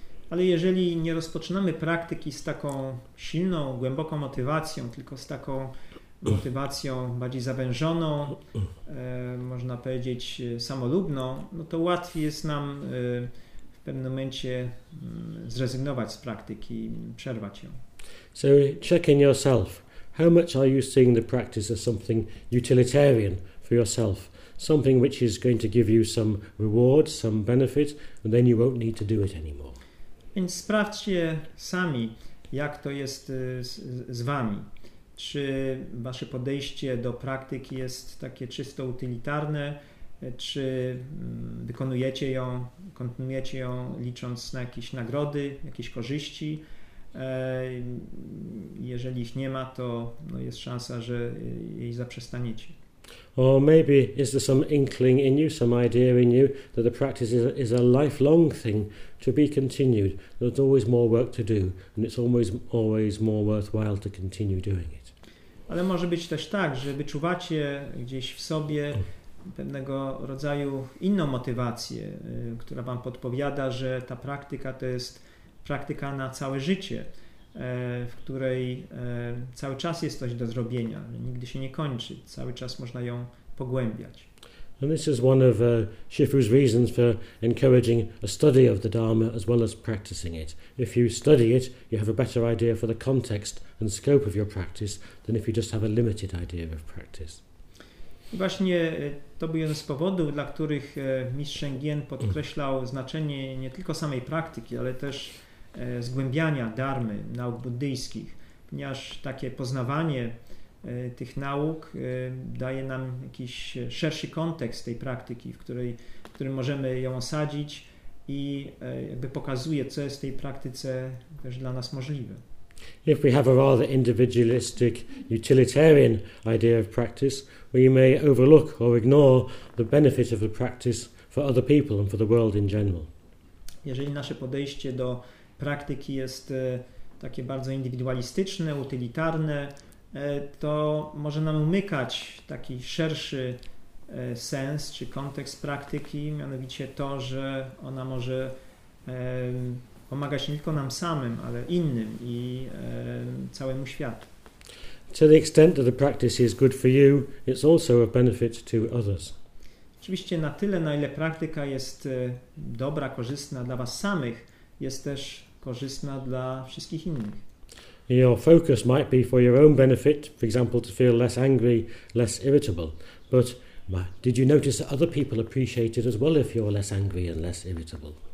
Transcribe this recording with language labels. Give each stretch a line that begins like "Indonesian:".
Polish: Ale jeżeli nie rozpoczynamy praktyki z taką silną, głęboką motywacją, tylko z taką motywacją bardziej zawężoną, można powiedzieć samolubną, no to łatwiej jest nam w pewnym momencie zrezygnować z praktyki, przerwać ją.
English: So check in yourself. How much are you seeing the practice as something utilitarian for yourself? Something which is going to give you some reward, some benefit, and then you won't need to do it anymore.
Polish: Więc sprawdźcie sami, jak to jest z wami. Czy wasze podejście do praktyki jest takie czysto utylitarne, czy wykonujecie ją, kontynuujecie ją licząc na jakieś nagrody, jakieś korzyści. Jeżeli ich nie ma, to no, jest szansa, że jej zaprzestaniecie.
English: Or maybe is there some inkling in you, some idea in you that the practice is a lifelong thing to be continued. There's always more work to do and it's always more worthwhile to continue doing it.
Polish: Ale może być też tak, że wyczuwacie gdzieś w sobie pewnego rodzaju inną motywację, która wam podpowiada, że ta praktyka to jest praktyka na całe życie, w której cały czas jest coś do zrobienia, nigdy się nie kończy, cały czas można ją pogłębiać.
English: And this is one of Shifu's reasons for encouraging a study of the Dharma as well as practicing it. If you study it, you have a better idea for the context and scope of your practice than if you just have a limited idea of practice.
Polish: I właśnie to był jeden z powodów, dla których mistrz Shengyen podkreślał znaczenie nie tylko samej praktyki, ale też zgłębiania darmy, nauk buddyjskich, ponieważ takie poznawanie tych nauk daje nam jakiś szerszy kontekst tej praktyki, w którym możemy ją osadzić i jakby pokazuje, co jest w tej praktyce też dla nas możliwe.
English: If we have a rather individualistic, utilitarian idea of practice, we may overlook or ignore the benefit of the practice for other people and for the world in general.
Polish: Jeżeli nasze podejście do praktyki jest takie bardzo indywidualistyczne, utylitarne, to może nam umykać taki szerszy sens czy kontekst praktyki, mianowicie to, że ona może pomagać nie tylko nam samym, ale innym i całemu światu.
English: To the extent that the practice is good for you, it's also a benefit to others.
Polish: Oczywiście na tyle, na ile praktyka jest dobra, korzystna dla was samych, jest też korzystna dla wszystkich innych.
English: Your focus might be for your own benefit, for example, to feel less angry, less irritable. But did you notice that other people appreciate it as well if you're less angry and less irritable?